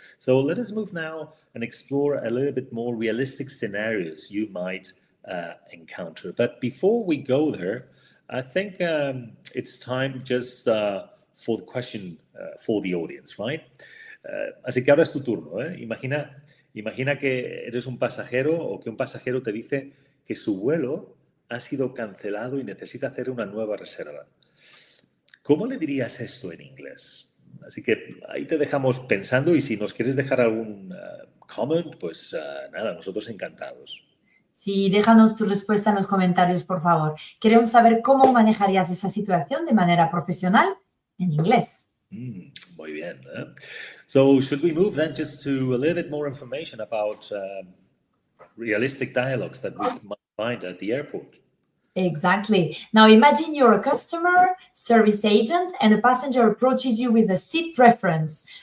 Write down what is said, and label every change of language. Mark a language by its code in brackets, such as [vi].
[en] So let us move now and explore a little bit more realistic scenarios you might encounter. But before we go there, I think it's time just for the question for the audience, right? [es] Así que ahora es tu turno. Imagina que eres un pasajero o que un pasajero te dice que su vuelo ha sido cancelado y necesita hacer una nueva reserva. ¿Cómo le dirías esto en inglés? Así que ahí te dejamos pensando y si nos quieres dejar algún comment, pues nada, nosotros encantados. Sí, déjanos tu respuesta en los comentarios, por favor. Queremos saber cómo manejarías esa situación de manera profesional en inglés. Muy bien. [en] So, should we move then just to a little bit more information about realistic dialogues that we might find at the airport? Exactly. Now, imagine you're a customer service agent and a passenger approaches you with a seat preference.